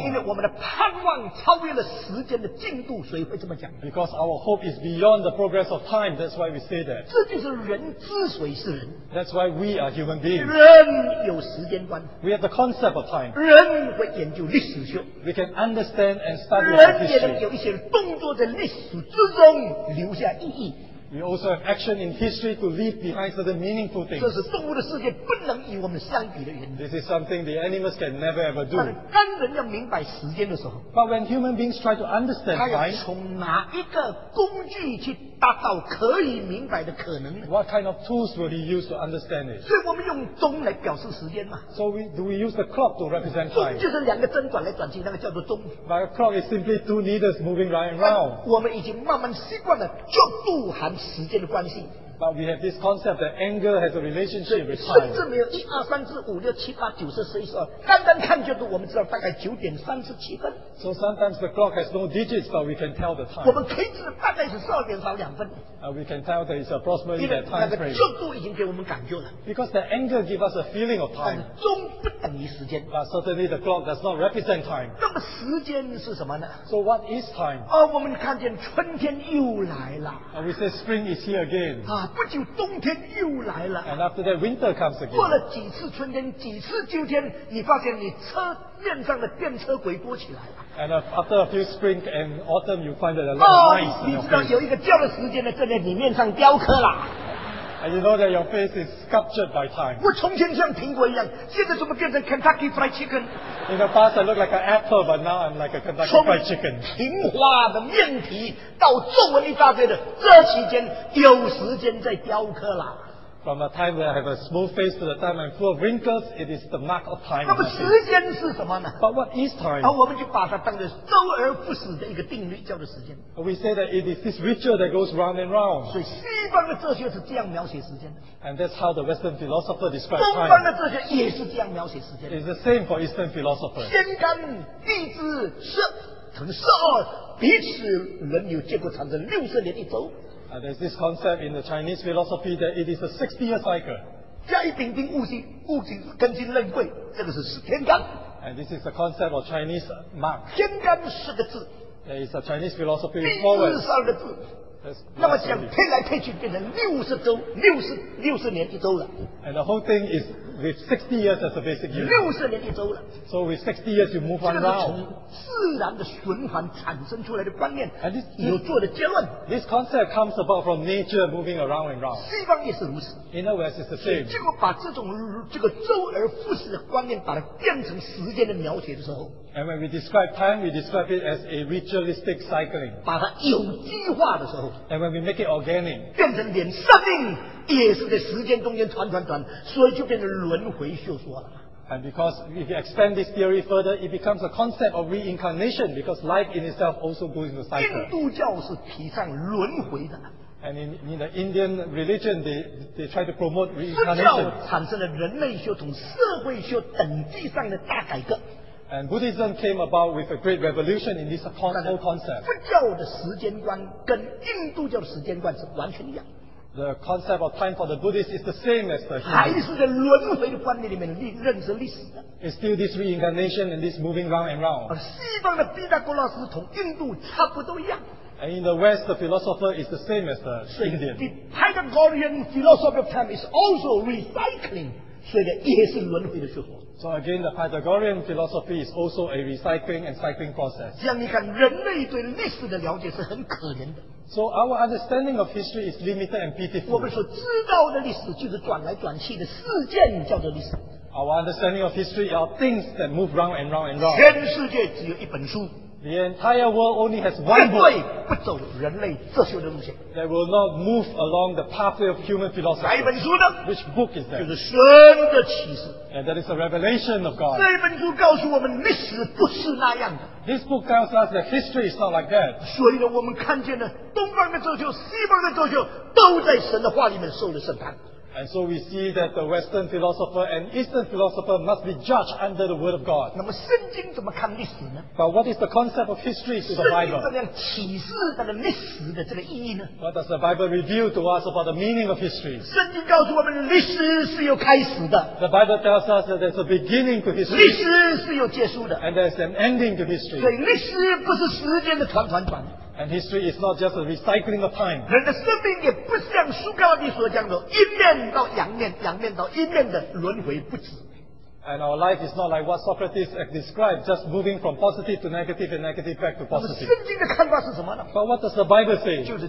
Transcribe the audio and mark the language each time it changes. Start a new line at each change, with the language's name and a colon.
Chinese: 是因为我们的盼望超越了时间的进度，谁会这么讲的？
English: Because our hope is beyond the progress of time, that's why we say that.
Chinese: 这就是人之所以是人。
English: That's why we are human beings.
Chinese: 人有时间观。
English: We have the concept of time.
Chinese: 人会研究历史。历史书。
English: We can understand and study the history.
Chinese: 人也能有一些动作在历史之中留下意义。
English: We also have action in history to leave behind certain meaningful things.
Chinese: 这是动物的世界不能与我们相比的原因。
English: This is something the animals can never ever do.
Chinese: 当人要明白时间的时候
English: ，But when human beings try to understand time,
Chinese: 他要从哪一个工具去达到可以明白的可能
English: ？What kind of tools will he use to understand it?
Chinese: 所以我们用钟来表示时间嘛。
English: So do we use the clock to represent time?
Chinese: 钟就是两个针转来转去，那个叫做钟。
English: But a clock is simply two needles moving right and round.
Chinese: 我们已经慢慢习惯了角度和时间的关系。
English: But we have this concept that anger has a relationship with time.
Chinese: 甚至没有一二三四五六七八九十十一十二，单单看角度，我们知道大概九点三十七分。
English: So sometimes the clock has no digits, but we can tell the time.
Chinese: 我们可以知道大概是十二点少两分。
English: We can tell that it's approximately that time frame.
Chinese: 因为那个角度已经给我们感觉了。
English: Because the anger gives us a feeling of time.
Chinese: 但钟不等于时间。
English: But certainly the clock does not represent time.
Chinese: 那么时间是什么呢
English: ？So what is time?
Chinese: 啊，我们看见春天又来了。
English: We say spring is here again.
Chinese: 啊。不久冬天又来了
English: and after that, winter comes again.
Chinese: 过了几次春天几次秋天你发现你车面上的电车轨多起来了
English: and after a few spring and autumn you find that a lot of lights
Chinese: 你知道有一个叫的时间呢正在你面上雕刻了
English: And you know that your face is sculptured by time.
Chinese: 我从前像苹果一样，现在怎么变成 Kentucky Fried Chicken?
English: In the past, I looked like an apple, but now I'm like a Kentucky Fried Chicken.
Chinese: 平滑的面皮到皱纹一大堆的，这期间有时间在雕刻啦。
English: From the time that I have a smooth face to the time I'm full of wrinkles, it is the mark of time.
Chinese: 那么时间是什么呢
English: ？But what is time?
Chinese: 我们就把它当作周而复始的一个定律，叫做时间。
English: We say that it is this ritual that goes round and round.
Chinese: 所以西方的哲学是这样描写时间的。
English: And that's how the Western philosopher describes time.
Chinese: 东方的哲学也是这样描写时间的。
English: It's the same for Eastern philosopher.
Chinese: 天干地支十乘十二，彼此轮流结果产生六十年一周。
English: There's this concept in the Chinese philosophy that it is a 60-year cycle.
Chinese: 甲乙丙丁戊辛，戊辛庚辛壬癸，这个是十天干。
English: And this is the concept of Chinese mark.
Chinese: 天干十个字。
English: There is a Chinese philosophy.
Chinese: 地支十二个字。那么讲推来推去变成六十周，六十年一周了。
English: And the whole thing is with 60 years as a basic year.
Chinese: 六十年一周了。
English: So with 60 years you move on now.
Chinese: 这是从自然的循环产生出来的观念。
English: And this
Chinese: 有做的结论。
English: This concept comes about from nature moving around and round.
Chinese: 西方也是如此。
English: In the West it's the same.
Chinese: 结果把这种这个周而复始的观念把它变成时间的描写的时候。
English: And when we describe time, we describe it as a ritualistic cycling.
Chinese: 把它有机化的时候。
English: And when we make it organic,
Chinese: 变成连生命也是在时间中间团团团，所以就变成轮回修说了。
English: And because if you expand this theory further, it becomes a concept of reincarnation because life in itself also goes into cycle.
Chinese: 印度教是提倡轮回的。
English: And in the Indian religion, they try to promote reincarnation.
Chinese: 佛教产生了人类学同社会学等级上的大改革。
English: And Buddhism came about with a great revolution in this whole concept.
Chinese: 佛教的时间观跟印度教的时间观是完全一样。
English: The concept of time for the Buddhists is the same as the Hindu.
Chinese: 还是在轮回的观念里面认识历史的。
English: It's still this reincarnation and this moving round and round.
Chinese: 而西方的毕达哥拉斯同印度差不多一样。
English: And in the West, the philosopher is the same as the Indian. The Pythagorean philosophy of time is also recycling.
Chinese: 所以也是轮回的说法。
English: So again, the Pythagorean philosophy is also a recycling and cycling process.
Chinese: 这样你看，人类对历史的了解是很可怜的。
English: So our understanding of history is limited and pitiful.
Chinese: 我们所知道的历史就是转来转去的事件叫做历史。
English: Our understanding of history are things that move round and round and round.
Chinese: 全世界只有一本书。
English: The entire world only has one book.
Chinese: 绝对不走人类哲学的路线。
English: That will not move along the pathway of human philosophy.
Chinese: 哪一本书呢
English: ？Which book is that?
Chinese: 就是神的启示。
English: And that is a revelation of God.
Chinese: 这本书告诉我们历史不是那样的。
English: This book tells us that history is not like that.
Chinese: 所以呢，我们看见了东方的哲学、西方的哲学都在神的话里面受了审判。
English: And so we see that the Western philosopher and Eastern philosopher must be judged under the word of God.
Chinese: 那么圣经怎么看历史呢
English: ？But what is the concept of history to the Bible?
Chinese: 圣经怎么样启示它的历史的这个意义呢
English: ？What does the Bible reveal to us about the meaning of history?
Chinese: 圣经告诉我们历史是有开始的。
English: The Bible tells us that there's a beginning to history.
Chinese: 历史是有结束的。
English: And there's an ending to history.
Chinese: 所以历史不是时间的团团转。
English: And history is not just a recycling of time.
Chinese: 人的生命也不像苏格拉底所讲的，一面到阳面，阳面到阴面的轮回不止。
English: And our life is not like what Socrates described, just moving from positive to negative and negative back to positive. But what does the Bible say?